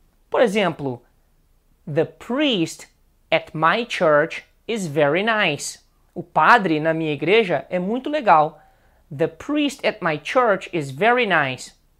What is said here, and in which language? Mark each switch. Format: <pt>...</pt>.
<pt>Por exemplo,</pt> <en>the priest at my church is very nice.</en> <pt>O padre na minha igreja é muito legal.</pt> <en>The priest at my church is very nice.</en>